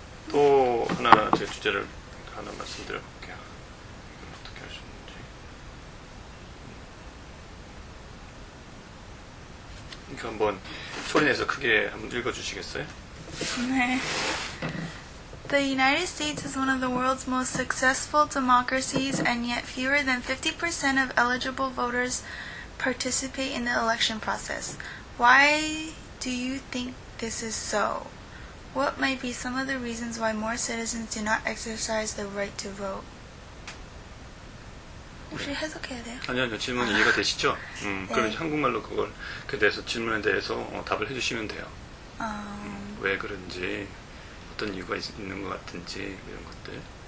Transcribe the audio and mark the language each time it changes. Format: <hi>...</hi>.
<ko>또 하나 제 주제를 하나 말씀드려 볼게요. 어떻게 하셨는지. 이거 한번 소리 내서 크게 한번 읽어 주시겠어요? 네.</ko> <en>The United States is one of the world's most successful democracies, and yet fewer than 50% of eligible voters participate in the election process. Why do you think this is so? What might be some of the reasons why more citizens do not exercise the right to vote?</en> <ko>혹시 해석해야 돼요? 아니요, 아니요. 질문이 이해가 되시죠? 네. 그럼 이제 한국말로 그걸 그 대해서 질문에 대해서 답을 해주시면 돼요. 왜 그런지 어떤 이유가 있는 것 같은지 이런 것들.</ko>